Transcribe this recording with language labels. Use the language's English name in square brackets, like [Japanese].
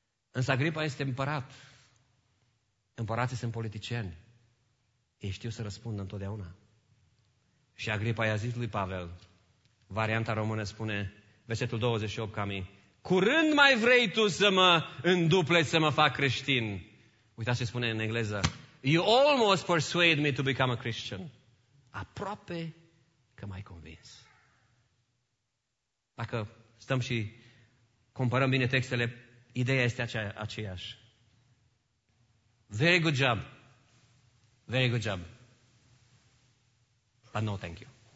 [Romanian] Însă Agripa este împărat. Împărații sunt politicieni. Ei știu să răspundă întotdeauna. Și Agripa i-a zis lui Pavel, varianta română spune, versetul 28, cami, curând mai vrei tu să mă îndupleți să mă fac creștin? Uitați ce spune în engleză. [English] You almost persuade me to become a Christian. [Romanian] Aproape că m-ai convins. Dacă stăm și comparăm bine textele, ideea este aceeași. [English] Very good job. Very good job. But no thank you.